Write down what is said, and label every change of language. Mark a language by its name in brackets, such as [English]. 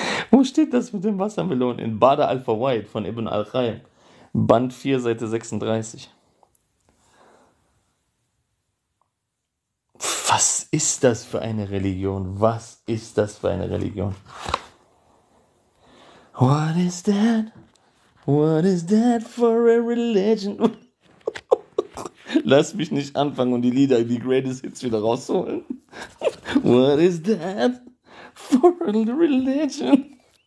[German] Wo steht das mit dem Wassermelonen? In Bada al-Fawaid von Ibn al-Khayyim. Band 4, Seite 36. Was ist das für eine Religion? Was ist das für eine Religion? [English] What is that? What is that for a religion? [German] Lass mich nicht anfangen und die Lieder, die Greatest Hits wieder rausholen. [English] What is that for a religion?